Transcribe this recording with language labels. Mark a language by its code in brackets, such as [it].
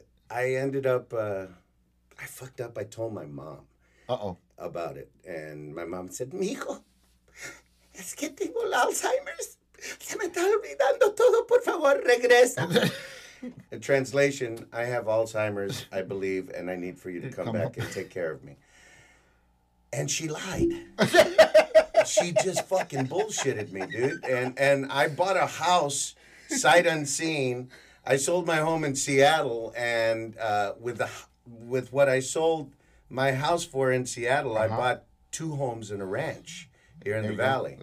[en] I ended up, I fucked up. I told my mom. Uh-oh. About it. And my mom said, mijo, [es] es que tengo el Alzheimer's. Se me está olvidando todo, por favor, regresa. [en] In translation, I have Alzheimer's, I believe, and I need for you to come back up and take care of me. And she lied. She just fucking bullshitted me, dude. And I bought a house, sight unseen. I sold my home in Seattle, and with what I sold my house for in Seattle, uh-huh, I bought two homes and a ranch here in the valley.